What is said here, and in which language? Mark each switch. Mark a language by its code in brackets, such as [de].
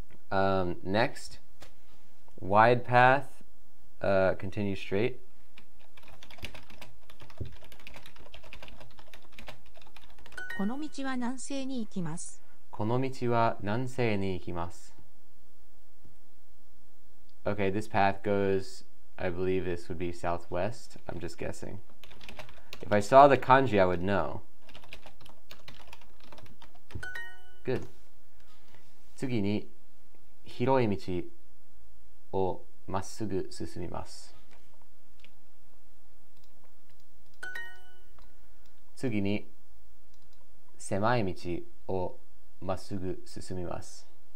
[en] Next, wide path, continue straight. [ja] この道は南西に行きます。この道は南西に行きます。 [en] Okay, this path goes, I believe this would be southwest. I'm just guessing. If I saw the kanji, I would know. Good. [ja] 次に広い道をまっすぐ進みます。次に狭い道をまっすぐ進みます。